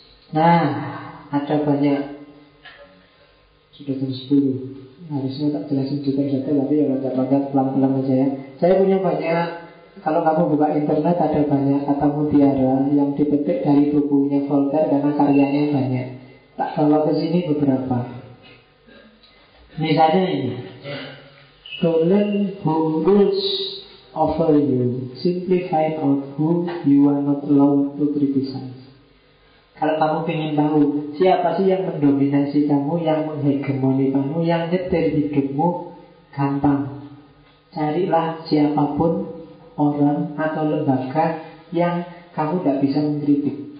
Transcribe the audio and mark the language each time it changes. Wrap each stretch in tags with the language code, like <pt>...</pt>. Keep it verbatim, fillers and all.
<id>Nah, ada banyak. Sudah jam sepuluh, harusnya tak jelasin detail-detail, tapi ya loncat-loncat pelan-pelan aja ya. Saya punya banyak, kalau kamu buka internet ada banyak kata mutiara yang dipetik dari bukunya Voltaire, karena karyanya banyak. Tak bawa ke sini beberapa. Misalnya ini,</id> <en>"Colin who rules over you, simply find out who you are not allowed to criticize."</en> <id>Kalau kamu ingin tahu siapa sih yang mendominasi kamu, yang menghegemoni kamu, yang nyetir hidupmu, gampang. Carilah siapapun, orang atau lembaga yang kamu tidak bisa mengkritik.</id>